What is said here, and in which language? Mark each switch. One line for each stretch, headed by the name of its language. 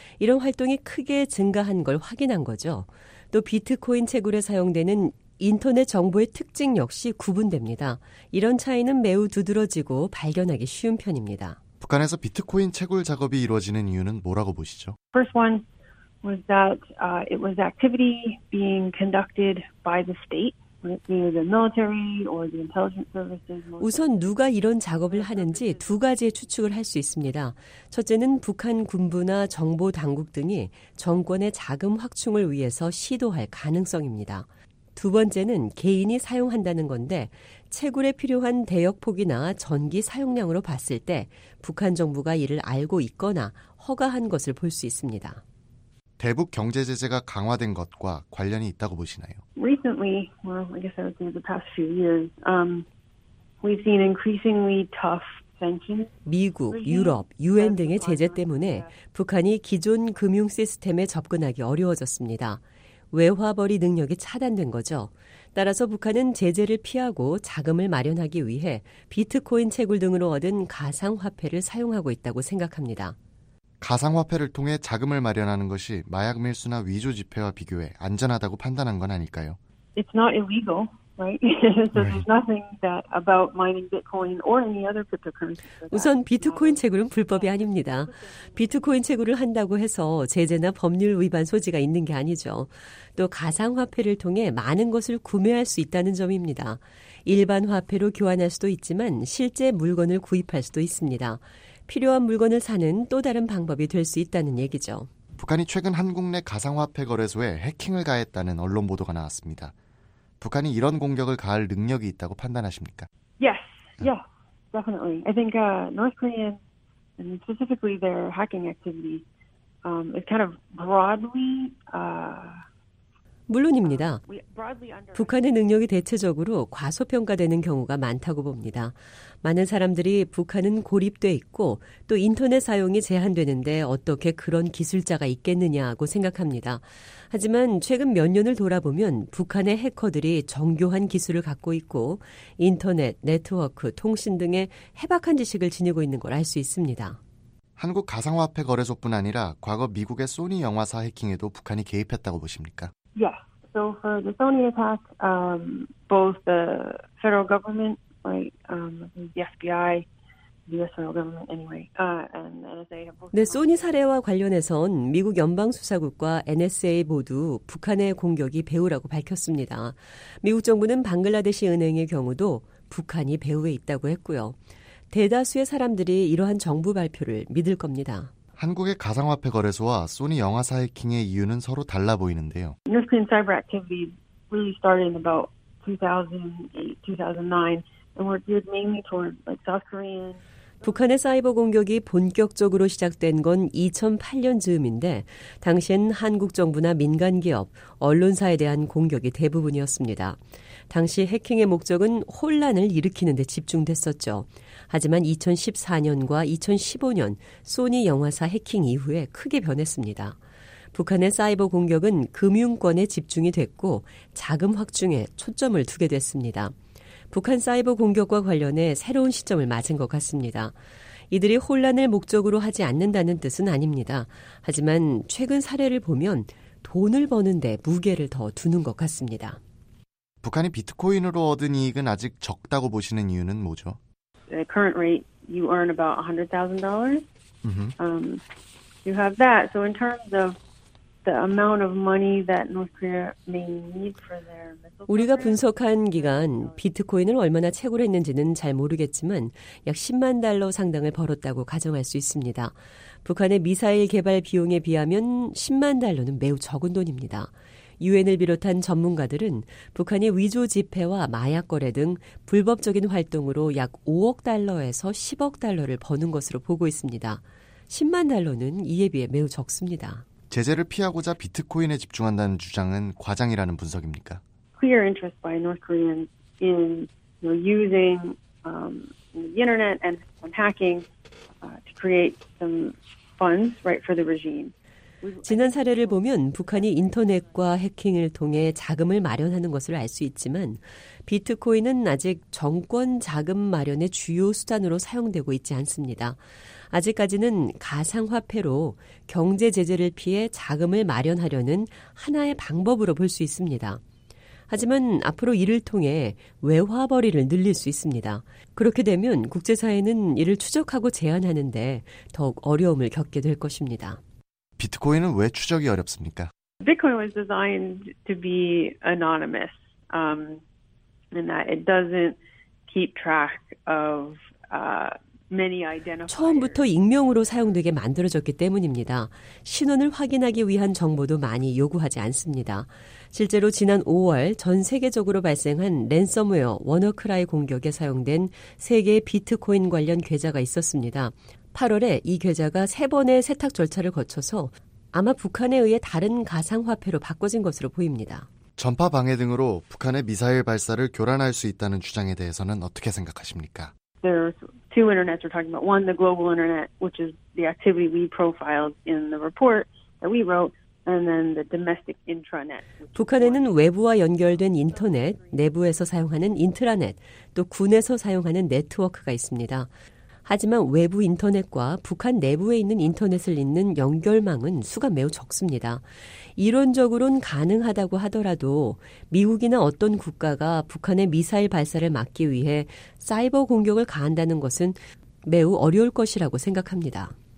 Korean: 이런 활동이 크게 증가한 걸 확인한 거죠. 또 비트코인 채굴에 사용되는 인터넷 정보의 특징 역시 구분됩니다. 이런 차이는 매우 두드러지고 발견하기 쉬운 편입니다. 북한에서 비트코인 채굴 작업이 이루어지는 이유는 뭐라고 보시죠?
English: First one was that it was activity being conducted by the state.
Korean: 우선 누가 이런 작업을 하는지 두 가지의 추측을 할 수 있습니다. 첫째는 북한 군부나 정보 당국 등이 정권의 자금 확충을 위해서 시도할 가능성입니다. 두 번째는 개인이 사용한다는 건데 채굴에 필요한 대역폭이나 전기 사용량으로 봤을 때 북한 정부가 이를 알고 있거나 허가한 것을 볼 수 있습니다. 대북 경제 제재가 강화된 것과 관련이 있다고 보시나요?
English: Recently, well, I guess I would say the past few years, we've seen increasingly tough
Korean: 미국, 유럽, 유엔 등의 제재 때문에 북한이 기존 금융 시스템에 접근하기 어려워졌습니다. 외화벌이 능력이 차단된 거죠. 따라서 북한은 제재를 피하고 자금을 마련하기 위해 비트코인 채굴 등으로 얻은 가상화폐를 사용하고 있다고 생각합니다. 가상화폐를 통해 자금을 마련하는 것이 마약 밀수나 위조 지폐와 비교해 안전하다고 판단한 건 아닐까요?
English: It's not illegal. Right. So there's nothing that about mining Bitcoin or any other cryptocurrency.
Korean: 우선 비트코인 채굴은 불법이 아닙니다. 비트코인 채굴을 한다고 해서 제재나 법률 위반 소지가 있는 게 아니죠. 또 가상화폐를 통해 많은 것을 구매할 수 있다는 점입니다. 일반 화폐로 교환할 수도 있지만 실제 물건을 구입할 수도 있습니다. 필요한 물건을 사는 또 다른 방법이 될 수 있다는 얘기죠. 북한이 최근 한국 내 가상화폐 거래소에 해킹을 가했다는 언론 보도가 나왔습니다. 북한이 이런 공격을 가할 능력이 있다고 판단하십니까?
English: Yes, yeah, definitely. I think North Korean and specifically their hacking activity is kind of broadly.
Korean: 물론입니다. 북한의 능력이 대체적으로 과소평가되는 경우가 많다고 봅니다. 많은 사람들이 북한은 고립돼 있고 또 인터넷 사용이 제한되는데 어떻게 그런 기술자가 있겠느냐고 생각합니다. 하지만 최근 몇 년을 돌아보면 북한의 해커들이 정교한 기술을 갖고 있고 인터넷, 네트워크, 통신 등의 해박한 지식을 지니고 있는 걸 알 수 있습니다. 한국 가상화폐 거래소뿐 아니라 과거 미국의 소니 영화사 해킹에도 북한이 개입했다고 보십니까?
English: Yeah. So for the Sony attack, both the federal government, right, the FBI, the US federal government anyway, and NSA have both.
Korean: 네, 소니 사례와 관련해선 미국 연방 수사국과 NSA 모두 북한의 공격이 배후라고 밝혔습니다. 미국 정부는 방글라데시 은행의 경우도 북한이 배후에 있다고 했고요. 대다수의 사람들이 이러한 정부 발표를 믿을 겁니다. 한국의 가상화폐 거래소와 소니 영화사 해킹의 이유는 서로 달라 보이는데요.
English: North Korean cyber activities really started in about 2008, 2009, and were geared mainly toward South Korean.
Korean: 북한의 사이버 공격이 본격적으로 시작된 건 2008년 즈음인데, 당시엔 한국 정부나 민간 기업, 언론사에 대한 공격이 대부분이었습니다. 당시 해킹의 목적은 혼란을 일으키는 데 집중됐었죠. 하지만 2014년과 2015년 소니 영화사 해킹 이후에 크게 변했습니다. 북한의 사이버 공격은 금융권에 집중이 됐고 자금 확충에 초점을 두게 됐습니다. 북한 사이버 공격과 관련해 새로운 시점을 맞은 것 같습니다. 이들이 혼란을 목적으로 하지 않는다는 뜻은 아닙니다. 하지만 최근 사례를 보면 돈을 버는 데 무게를 더 두는 것 같습니다. 북한이 비트코인으로 얻은 이익은 아직 적다고 보시는 이유는 뭐죠?
English: The current rate you earn about $100,000. You have that. So in terms of the amount of money that North Korea may need for their
Korean: 우리가 분석한 기간 비트코인을 얼마나 채굴했는지는 잘 모르겠지만 약 10만 달러 상당을 벌었다고 가정할 수 있습니다. 북한의 미사일 개발 비용에 비하면 10만 달러는 매우 적은 돈입니다. 유엔을 비롯한 전문가들은 북한이 위조 지폐와 마약 거래 등 불법적인 활동으로 약 5억 달러에서 10억 달러를 버는 것으로 보고 있습니다. 10만 달러는 이에 비해 매우 적습니다. 제재를 피하고자 비트코인에 집중한다는 주장은 과장이라는 분석입니까?
English: Clear interest by North Koreans in using the internet and hacking to create some funds right for the regime.
Korean: 지난 사례를 보면 북한이 인터넷과 해킹을 통해 자금을 마련하는 것을 알 수 있지만 비트코인은 아직 정권 자금 마련의 주요 수단으로 사용되고 있지 않습니다. 아직까지는 가상화폐로 경제 제재를 피해 자금을 마련하려는 하나의 방법으로 볼 수 있습니다. 하지만 앞으로 이를 통해 외화벌이를 늘릴 수 있습니다. 그렇게 되면 국제사회는 이를 추적하고 제한하는데 더욱 어려움을 겪게 될 것입니다. 비트코인은 왜 추적이 어렵습니까?
English: Bitcoin was designed to be anonymous. and that it doesn't keep track of many identifiers.
Korean: 처음부터 익명으로 사용되게 만들어졌기 때문입니다. 신원을 확인하기 위한 정보도 많이 요구하지 않습니다. 실제로 지난 5월 전 세계적으로 발생한 랜섬웨어 워너크라이 공격에 사용된 3개의 비트코인 관련 계좌가 있었습니다. 8월에 이 계좌가 3번의 세탁 절차를 거쳐서 아마 북한에 의해 다른 가상화폐로 바꿔진 것으로 보입니다. 전파 방해 등으로 북한의 미사일 발사를 교란할 수 있다는 주장에 대해서는 어떻게 생각하십니까?
English: There's two internets we're talking about. One, the global internet, which is the activity we profiled in the report that we wrote. And then the domestic intranet.
Korean: 북한에는 외부와 연결된 인터넷, 내부에서 사용하는 인트라넷, 또 군에서 사용하는 네트워크가 있습니다. 하지만 외부 인터넷과 북한 내부에 있는 인터넷을 잇는 연결망은 수가 매우 적습니다. 이론적으로는 가능하다고 하더라도 미국이나 어떤 국가가 북한의 미사일 발사를 막기 위해 사이버 공격을 가한다는 것은 매우 어려울 것이라고 생각합니다.